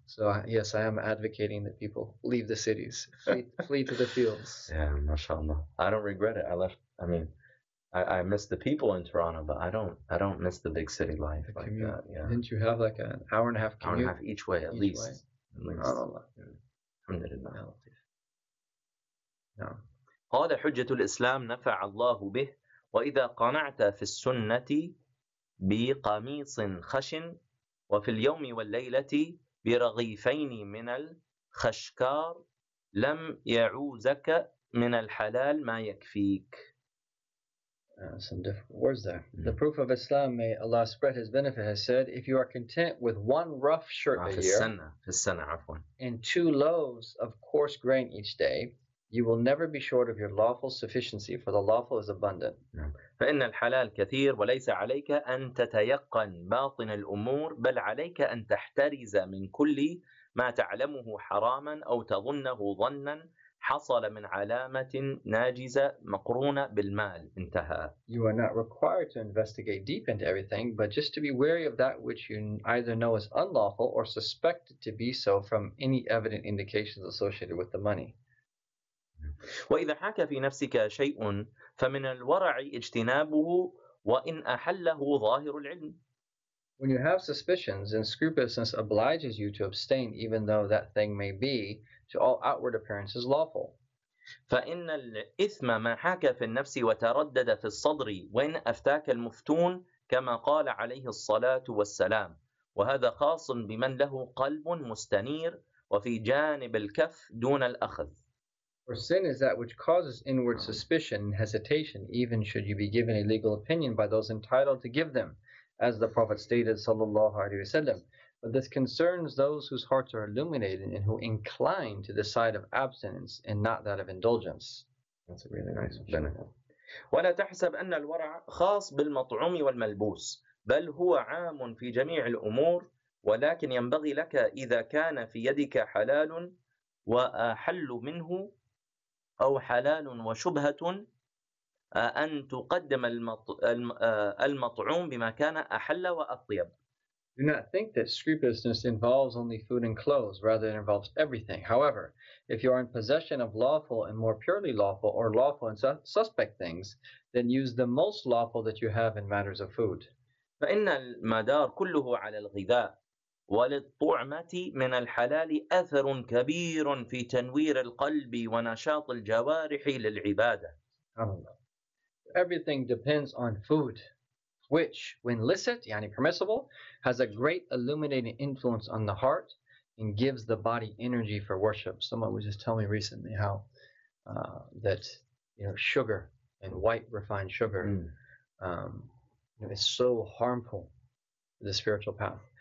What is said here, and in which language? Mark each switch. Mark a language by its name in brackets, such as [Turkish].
[English] So yes, I am advocating that people leave the cities, flee to the fields. Yeah, mashallah. I don't regret it. I miss the people in Toronto, but I don't miss the big city life. The like commute. That. Yeah. Didn't you have like an hour and a half commute? Hour and a half each way, at least. Alhamdulillah. Alhamdulillah. [Arabic] قال حجة الإسلام نفع الله به وإذا قنعت في السنة بقميص خشن وفي اليوم والليلة برغيفين من الخشكار لم يعوزك من الحلال ما يكفيك. [English] some difficult words there. Mm-hmm. The proof of Islam, may Allah spread His benefit, has said, if you are content with one rough shirt a year and two loaves of coarse grain each day, you will never be short of your lawful sufficiency, for the lawful is abundant. [Arabic] فَإِنَّ الْحَلَالِ كَثِيرٌ وَلَيْسَ عَلَيْكَ أَن تَتَيَقَّنْ بَاطِنَ الْأُمُورِ بَلْ عَلَيْكَ أَن تَحْتَرِزَ مِنْ كُلِّ مَا تَعْلَمُهُ حَرَامًا أَوْ تَظُنَّهُ ظَنًّا حَصَلَ مِنْ عَلَامَةٍ نَاجِزَ مَقْرُونَ بِالْمَالِ انتهى. [English] You are not required to investigate deep into everything, but just to be wary of that which you either know is unlawful or suspected to be so from any evident indications associated with the money. [Arabic] وإذا حاك في نفسك شيء فمن الورع اجتنابه وإن أحله ظاهر العلم. [English] When you have suspicions and scrupulousness obliges you to abstain, even though that thing may be to all outward appearances lawful. [Arabic] فإن الإثم ما حاك في النفس وتردد في الصدر وإن أفتاك المفتون كما قال عليه الصلاة والسلام وهذا خاص بمن له قلب مستنير وفي جانب الكف دون الأخذ. [English] For sin is that which causes inward suspicion and hesitation, even should you be given a legal opinion by those entitled to give them, as the Prophet stated, sallallahu alayhi wa sallam. But this concerns those whose hearts are illuminated and who incline to the side of abstinence and not that of indulgence. That's a really nice benefit. [Arabic] وَلَا تَحْسَبْ أَنَّ الْوَرَعْ خَاصْ بِالْمَطْعُومِ وَالْمَلْبُوسِ بَلْ هُوَ عَامٌ فِي جَمِيعِ الْأُمُورِ وَلَكِنْ يَنْبَغِي لَكَ إِذَا كَانَ فِي يَدِكَ حَلَالٌ وَأَحَلُّ مِنْهُ أو حلال وشبهة أن تقدم المطعوم بما كان أحل وأطيب. [English] Do not think that scrupulousness involves only food and clothes, rather it involves everything. However, if you are in possession of lawful and more purely lawful or lawful and suspect things, then use the most lawful that you have in matters of food. [Arabic] فإن المدار كله على الغذاء وللطعمة من الحلال أثر كبير في تنوير القلب ونشاط الجوارح للعبادة. [English] Everything depends on food, which, when licit, [Arabic] يعني [English] permissible, has a great illuminating influence on the heart and gives the body energy for worship. Someone was just telling me recently how that, you know, sugar and white refined sugar is so harmful to the spiritual path.